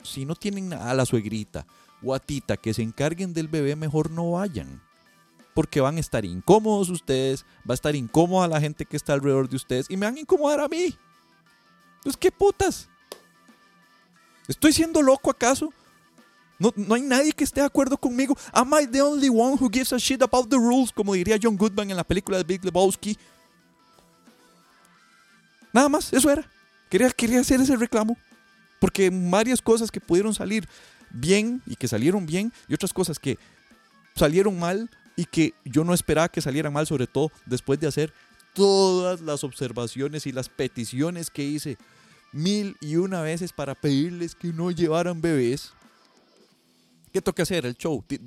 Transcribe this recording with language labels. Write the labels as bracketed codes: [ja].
[es] Si no tienen a la suegrita o a tita que se encarguen del bebé, mejor no vayan. Porque van a estar incómodos ustedes, va a estar incómoda la gente que está alrededor de ustedes y me van a incomodar a mí. Pues qué putas. ¿Estoy siendo loco acaso? No hay nadie que esté de acuerdo conmigo. [en] Am I the only one who gives a shit about the rules? [es] Como diría John Goodman en la película de Big Lebowski. Nada más, eso era. Quería hacer ese reclamo. Porque varias cosas que pudieron salir bien y que salieron bien y otras cosas que salieron mal y que yo no esperaba que salieran mal, sobre todo después de hacer todas las observaciones y las peticiones que hice mil y una veces para pedirles que no llevaran bebés. ¿Qué toca hacer? El show.